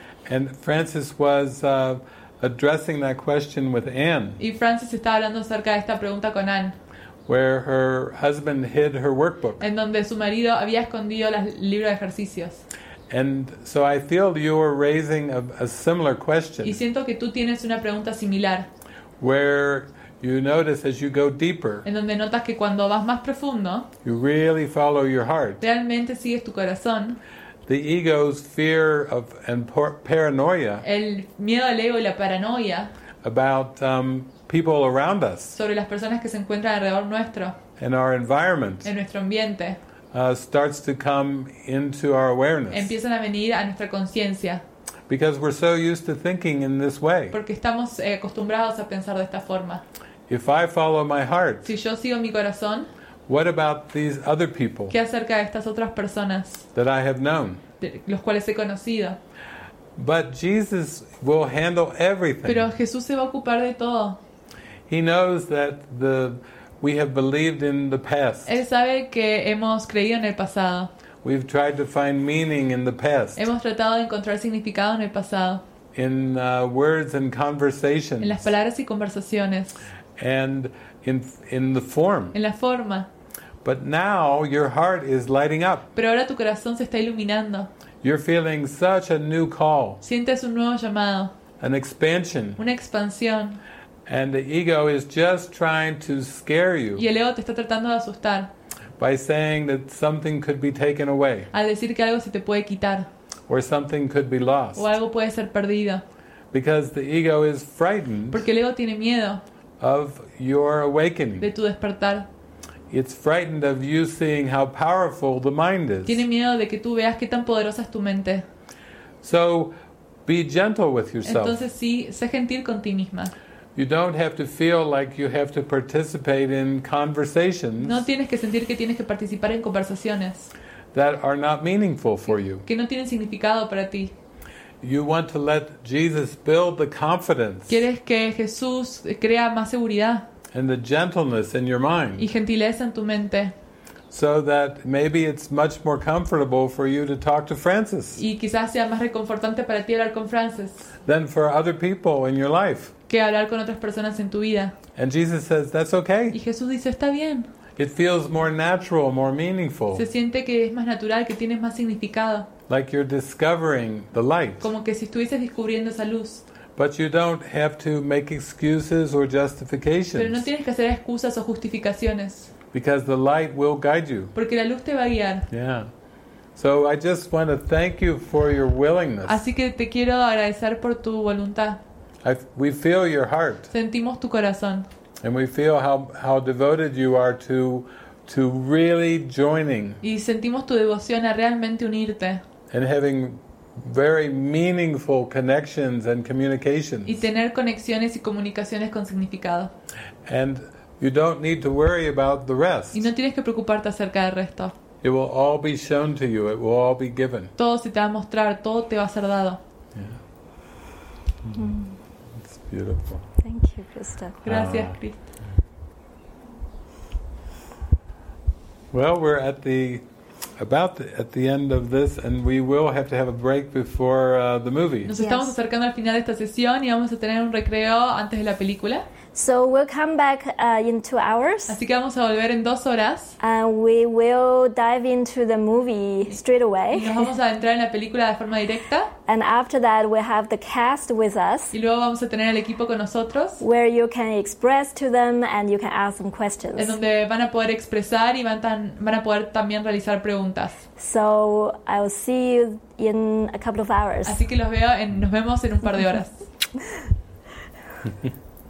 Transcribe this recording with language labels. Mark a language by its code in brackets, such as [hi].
[en] And Francis was addressing that question with Anne. [es] Y Francis estaba hablando acerca de esta pregunta con Anne. [en] Where her husband hid her workbook. [es] En donde su marido había escondido los libros de ejercicios. [en] And so I feel you are raising a similar question. [es] Y siento que tú tienes una pregunta similar. [en] Where you notice as you go deeper. [es] En donde notas que cuando vas más profundo. [en] You really follow your heart. [es] Realmente sigues tu corazón. [en] The ego's fear of and paranoia. [es] El miedo al ego y la paranoia. [en] About people around us. [es] Sobre las personas que se encuentran alrededor nuestro. [en] And our environment. [es] En nuestro ambiente. [en] Starts to come into our awareness. [es] Empiezan a venir a nuestra conciencia. [en] Because we're so used to thinking in this way. [es] Porque estamos acostumbrados a pensar de esta forma. [en] If I follow my heart. [es] Si yo sigo mi corazón. [en] What about these other people? [es] ¿Qué acerca de estas otras personas? [en] That I have known. [es] De los cuales he conocido. [en] But Jesus will handle everything. [es] Pero Jesús se va a ocupar de todo. [en] He knows that we have believed in the past. [es] Él sabe que hemos creído en el pasado. [en] We've tried to find meaning in the past. [es] Hemos tratado de encontrar significado en el pasado. [en] In words and conversations. [es] En las palabras y conversaciones. [en] And in the form. [es] En la forma. [en] But now your heart is lighting up. [es] Pero ahora tu corazón se está iluminando. [en] You're feeling such a new call. [es] Sientes un nuevo llamado. [en] An expansion. [es] Una expansión. [en] And the ego is just trying to scare you. [es] Y el ego te está tratando de asustar. [en] By saying that something could be taken away. [es] Al decir que algo se te puede quitar. [en] Or something could be lost. [es] O algo puede ser perdido. [en] Because the ego is frightened. [es] Porque el ego tiene miedo. [en] Of your awakening. [es] De tu despertar. [en] It's frightened of you seeing how powerful the mind is. [es] Tiene miedo de que tú veas qué tan poderosa es tu mente. [en] So, be gentle with yourself. [es] Entonces sí, sé gentil con ti misma. [en] You don't have to feel like you have to participate in conversations. [es] No tienes que sentir que tienes que participar en conversaciones. [en] That are not meaningful for you. [es] Que no tienen significado para ti. [en] You want to let Jesus build the confidence. [es] Quieres que Jesús crea más seguridad. [en] And the gentleness in your mind. [es] Y gentileza en tu mente. [en] So that maybe it's much more comfortable for you to talk to Francis. [es] Y quizás sea más reconfortante para ti hablar con Francis. [en] Than for other people in your life. [es] Que hablar con otras personas en tu vida. [en] And Jesus says, that's okay. [es] Y Jesús dice, está bien. [en] It feels more natural, more meaningful. [es] Se siente que es más natural, que tienes más significado. [en] Like you're discovering the light. [es] Como que si estuvieses descubriendo esa luz. [en] But you don't have to make excuses or justifications. [es] Pero no tienes que hacer excusas o justificaciones. [en] Because the light will guide you. [es] Porque la luz te va a guiar. [en] Yeah. So I just want to thank you for your willingness. [es] Así que te quiero agradecer por tu voluntad. [en] We feel your heart. [es] Sentimos tu corazón. [en] And we feel how devoted you are to really joining. [es] Y sentimos tu devoción a realmente unirte. [en] And having very meaningful connections and communications. [es] Y tener conexiones y comunicaciones con significado. [en] And you don't need to worry about the rest. [es] Y no tienes que preocuparte acerca del resto. [en] It will all be shown to you. It will all be given. [es] Todo se te va a mostrar. Todo te va a ser dado. [en] It's beautiful. Thank you, Krista. [es] Gracias, Krista. [en] Well, we're at the at the end of this, and we will have to have a break before the movie. [es] Nos estamos acercando al final de esta sesión y vamos a tener un recreo antes de la película. [en] So we'll come back in 2 hours. [es] Así que vamos a volver en 2 horas. [en] And we will dive into the movie straight away. [es] Y nos vamos a entrar en la película de forma directa. [en] And after that, we have the cast with us. [es] Y luego vamos a tener el equipo con nosotros. [en] Where you can express to them and you can ask them questions. [es] En donde van a poder expresar y van a poder también realizar preguntas. [en] So I'll see you in a couple of hours. [es] Así que los veo nos vemos en un par de horas.